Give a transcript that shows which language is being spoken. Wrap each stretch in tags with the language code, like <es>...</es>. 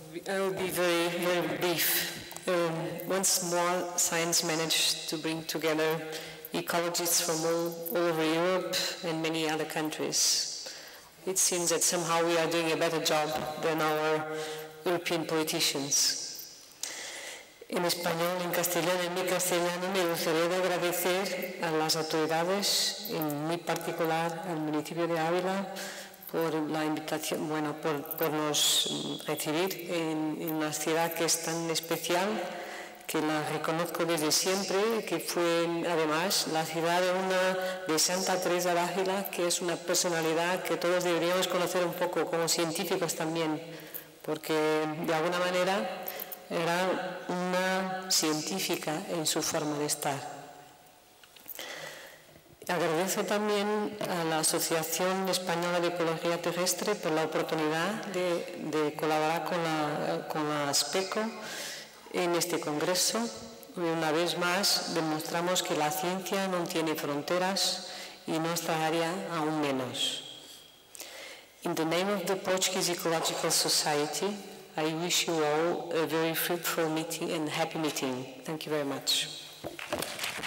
<en>I will be very, very brief. Once more, science managed to bring together ecologists from all over Europe and many other countries. It seems that somehow we are doing a better job than our European politicians.</en> <es>En español, en castellano y mi castellano, me gustaría agradecer a las autoridades, en mi particular al municipio de Ávila, por la invitación, bueno, por nos recibir en una ciudad que es tan especial, que la reconozco desde siempre, que fue además la ciudad de Santa Teresa de Ávila, que es una personalidad que todos deberíamos conocer un poco, como científicos también, porque de alguna manera era una científica en su forma de estar. Agradezco también a la Asociación Española de Ecología Terrestre por la oportunidad de colaborar con la ASPECO en este congreso. Una vez más demostramos que la ciencia no tiene fronteras y nuestra área aún menos.</es> <en>In the name of the Portuguese Ecological Society, I wish you all a very fruitful meeting and happy meeting. Thank you very much.</en>